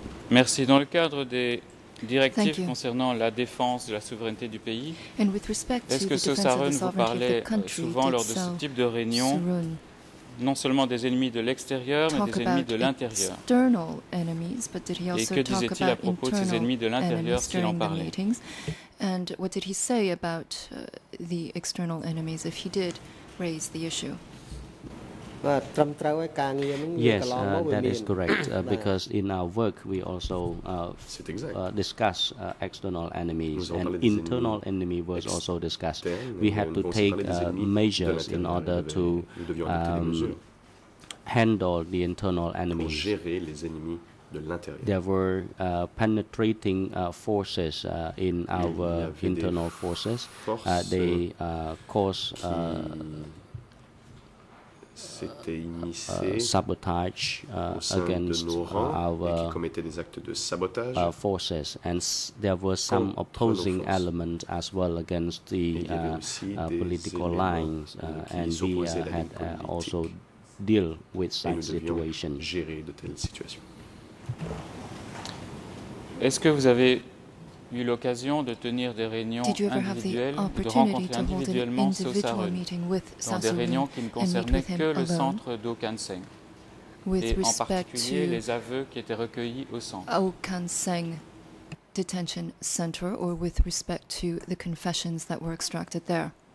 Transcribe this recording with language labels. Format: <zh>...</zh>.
<fr>Merci. Dans le cadre des directives concernant la défense de la souveraineté du pays, est-ce que Saw Sarun vous parlait souvent lors de ce type de réunion non seulement des ennemis de l'extérieur, mais des ennemis de l'intérieur.</fr> <en>Enemies,</en> <fr>et que disait-il à propos de ces ennemis de l'intérieur s'il en parlait?</fr> <en>And what did he say about the external enemies if he did raise the issue? Yes, that is correct, because in our work we also discuss external enemies, and internal enemy was also discussed. We had to take measures in order to handle the internal enemies. There were penetrating forces in our internal forces. They caused sabotage against our forces, and there were some opposing elements as well against the political lines, and we had also deal with such situations.</en> <fr>Est-ce que vous avez eu l'occasion de tenir des réunions individuelles, de rencontrer individuellement Sosarun, dans des réunions qui ne concernaient que le centre d'Okanseng, et en particulier les aveux qui étaient recueillis au centre?</fr> <en>Okanseng Detention Center, or with respect to the confessions that were extracted there?</en>